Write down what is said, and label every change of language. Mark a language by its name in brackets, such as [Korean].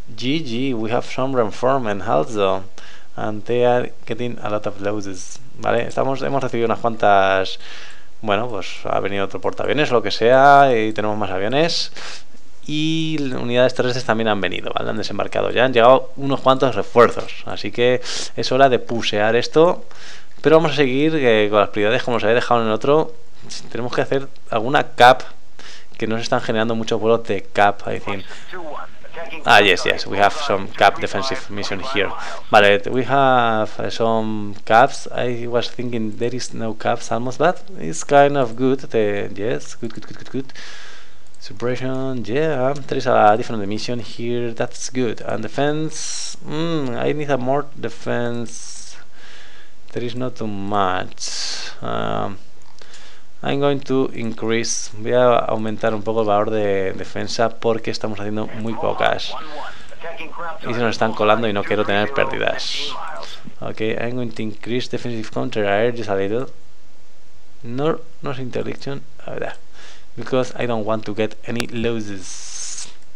[English] GG, we have some reinforcement also, and they are getting a lot of losses. [Spanish] Vale, hemos recibido unas cuantas. Bueno, pues ha venido otro portaaviones, lo que sea, y tenemos más aviones. Y unidades terrestres también han venido, ¿vale? Han desembarcado ya, han llegado unos cuantos refuerzos. Así que es hora de pusear esto. Pero vamos a seguir con las prioridades, como os había dejado en el otro. Tenemos que hacer alguna CAP, que nos están generando muchos vuelos de CAP, I think. [English] Ah, yes, we have some cap defensive mission here. Vale, we have some caps. I was thinking there is no caps almost, but it's kind of good. Yes, good. Suppression, yeah, there is a different mission here, that's good. And defense, I need a more defense. [Spanish] There is not too much. I'm going to increase, voy a aumentar un poco el valor de defensa porque estamos haciendo muy pocas. Y se nos están colando y no quiero tener pérdidas. [English] Okay, I'm going to increase defensive counter air just a little. Interdiction, because I don't want to get any losses.